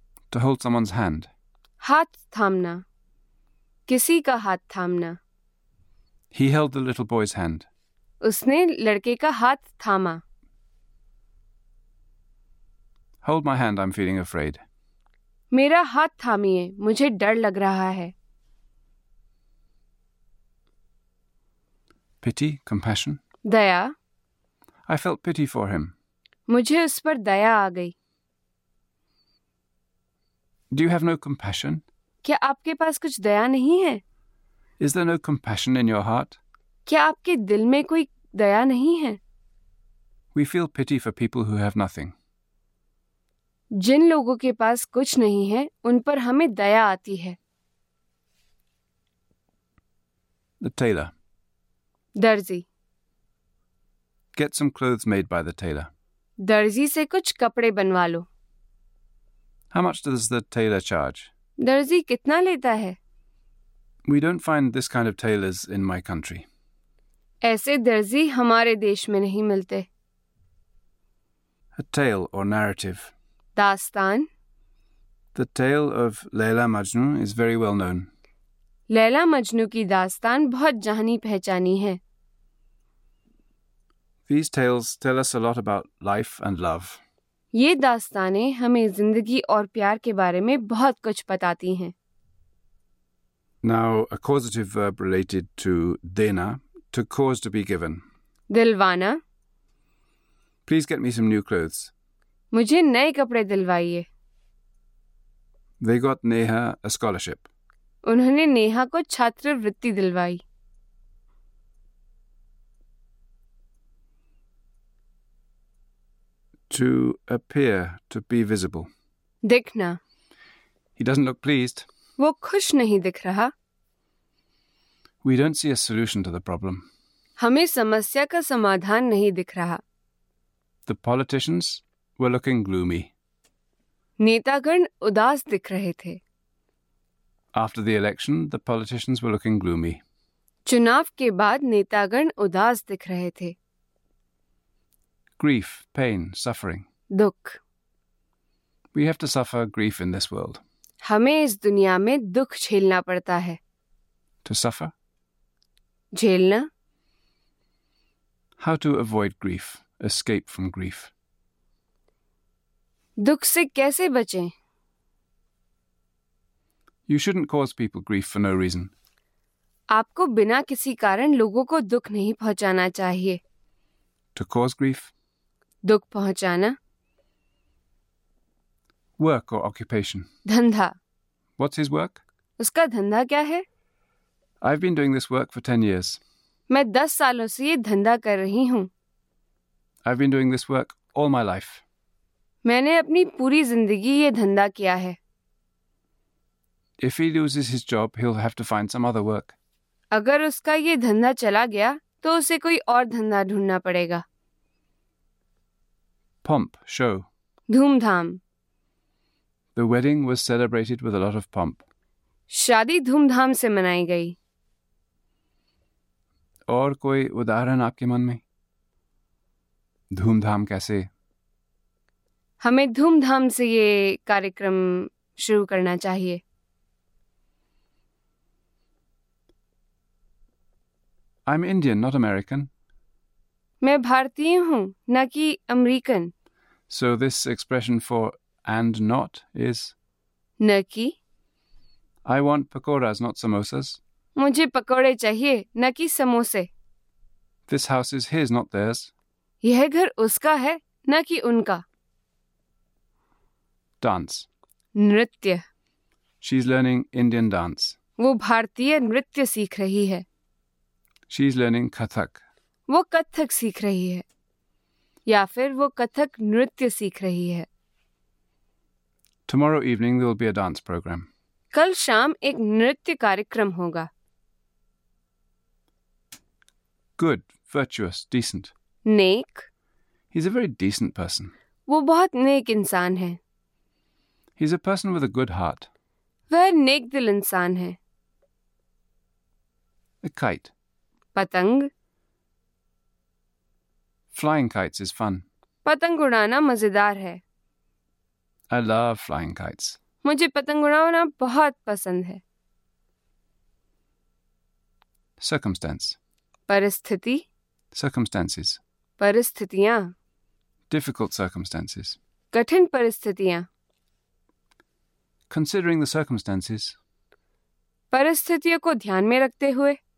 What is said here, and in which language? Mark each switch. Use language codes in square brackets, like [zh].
[en] To hold someone's hand. [hi] हाथ थामना। किसी का हाथ थामना। [en] He held the little boy's hand. [hi] उसने लड़के का हाथ थामा। [en] Hold my hand, I'm feeling afraid. [hi] मेरा हाथ थामिए, मुझे डर लग रहा है। [en] Pity, compassion. [hi] Daya. [en] I felt pity for him. [hi] मुझे उस पर दया आ गई। [en] Do you have no compassion? [hi] क्या आपके पास कुछ दया नहीं है? [en] Is there no compassion in your heart? [hi] क्या आपके दिल में कोई दया नहीं है? [en] We feel pity for people who have nothing. [hi] जिन लोगों के पास कुछ नहीं है उन पर हमें दया आती है। [en] The tailor. [hi] दर्जी। [en] Get some clothes made by the tailor. [hi] दर्जी से कुछ कपड़े बनवा लो। [en] How much does the tailor charge? [hi] दर्जी कितना लेता है? [en] We don't find this kind of tailors in my country. [hi] ऐसे दर्जी हमारे देश में नहीं मिलते। [en] A tale or narrative. [hi] दास्तान। [en] The tale of Leila Majnu is very well known. [hi] Laila Majnu की दास्तान बहुत जानी पहचानी है। [en] These tales tell us a lot about life and love. [hi] ये दास्तानें हमें जिंदगी और प्यार के बारे में बहुत कुछ बताती हैं। [en] Now, a causative verb related to dena, to cause to be given. [hi] दिलवाना। [en] Please get me some new clothes. [hi] मुझे नए कपड़े दिलवाइए। [en] They got Neha a scholarship. [hi] उन्होंने नेहा को छात्रवृत्ति दिलवाई। [en] To appear, to be visible. [hi] दिखना। [en] He doesn't look pleased. [hi] वो खुश नहीं दिख रहा। [en] We don't see a solution to the problem. [hi] हमें समस्या का समाधान नहीं दिख रहा। [en] The politicians were looking gloomy. [hi] नेतागण उदास दिख रहे थे। [en] After the election, the politicians were looking gloomy. [hi] चुनाव के बाद नेतागण उदास दिख रहे थे. [en] Grief, pain, suffering. [hi] दुख. [en] We have to suffer grief in this world. [hi] हमें इस दुनिया में दुख झेलना पड़ता है. [en] To suffer. [hi] झेलना. [en] How to avoid grief, escape from grief. [hi] दुख से कैसे बचें? [en] You shouldn't cause people grief for no reason. [hi] आपको बिना किसी कारण लोगों को दुख नहीं पहुंचाना चाहिए. [en] To cause grief. [hi] दुख पहुंचाना. [en] Work or occupation. [hi] धंधा. [en] What's his work? [hi] उसका धंधा क्या है? [en] I've been doing this work for 10 years. [hi] मैं 10 सालों से ये धंधा कर रही हूँ. [en] I've been doing this work all my life. [hi] मैंने अपनी पूरी जिंदगी ये धंधा किया है. [en] If he loses his job, he'll have to find some other work. [hi] अगर उसका ये धंधा चला गया तो उसे कोई और धंधा ढूंढना पड़ेगा. [en] Pomp, show. [hi] धूमधाम. [en] The wedding was celebrated with a lot of pomp. [hi] शादी धूमधाम से मनाई गई. और कोई उदाहरण आपके मन में? धूमधाम कैसे? हमें धूमधाम से ये कार्यक्रम शुरू करना चाहिए. [en] I'm Indian, not American. [hi] मैं भारतीय हूँ, न कि American. [en] So this expression for and not is? [hi] न कि. [en] I want pakoras, not samosas. [hi] मुझे पकोड़े चाहिए, न कि समोसे. [en] This house is his, not theirs. [hi] यह घर उसका है, न कि उनका. [en] Dance. [hi] नृत्य. [en] She's learning Indian dance. [hi] वो भारतीय नृत्य सीख रही है. [en] She's learning Kathak. [hi] वो कथक सीख रही है. या फिर वो कथक नृत्य सीख रही है. [en] Tomorrow evening there will be a dance program. [hi] कल शाम एक नृत्य कार्यक्रम होगा. [en] Good, virtuous, decent. [hi] Neck. [en] He's a very decent person. [hi] वो बहुत नेक इंसान है. [en] He's a person with a good heart. [hi] वह नेक दिल इंसान है. [en] A kite. [hi] पतंग. [en] Flying kites is fun. [hi] पतंग उड़ाना मजेदार है. [en] I love flying kites. [hi] मुझे पतंग उड़ाना बहुत पसंद है. [en] Circumstance. [hi] परिस्थिति. [en] Circumstances. [hi] परिस्थितियां. [en] Difficult circumstances. [hi] कठिन परिस्थितियां. [en] Considering the circumstances. [hi] परिस्थितियों को ध्यान में रखते हुए.